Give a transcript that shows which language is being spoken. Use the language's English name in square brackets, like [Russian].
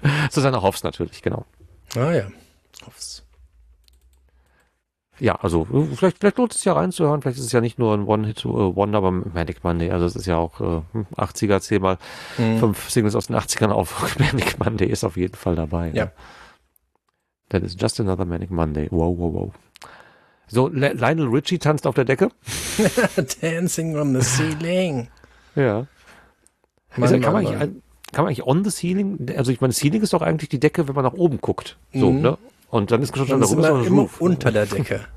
[German] Susanne Hoffs natürlich, genau. Ah ja, Hoffs. Ja, also vielleicht lohnt es ja reinzuhören, vielleicht ist es ja nicht nur ein One-Hit-Wonder, aber Manic Monday, also es ist ja auch 80er, 10x, 5 Singles aus den 80ern auf Manic Monday ist auf jeden Fall dabei. Ja. Ne? [English] That is just another Manic Monday, wow, wow, wow. [German] So, Lionel Richie tanzt auf der Decke. [English] Dancing on the ceiling. [German] Ja. Mann, also, kann man eigentlich [English] on the ceiling, [German] also ich meine, Ceiling ist doch eigentlich die Decke, wenn man nach oben guckt. So, ne? Und dann ist es schon darüber. Immer Roof. Unter der Decke.